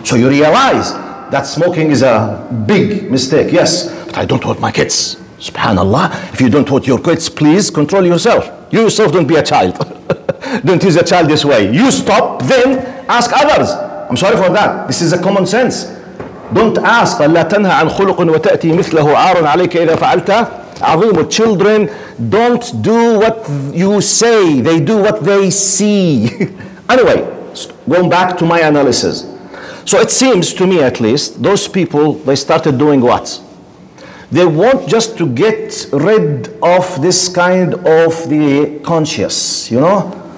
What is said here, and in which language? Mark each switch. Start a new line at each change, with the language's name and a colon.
English: So you realize that smoking is a big mistake, yes. But I don't want my kids, subhanAllah. If you don't want your kids, please control yourself. You yourself don't be a child. Don't use a child this way. You stop, then ask others. I'm sorry for that. This is a common sense. Don't ask.
Arabic: لا تنهى عن خلق وتأتي مثله عار عليك إذا فعلت عظيم.
English: Children, don't do what you say. They do what they see. Anyway, going back to my analysis. So it seems to me at least, those people, they started doing what? They want just to get rid of this kind of the conscious, you know?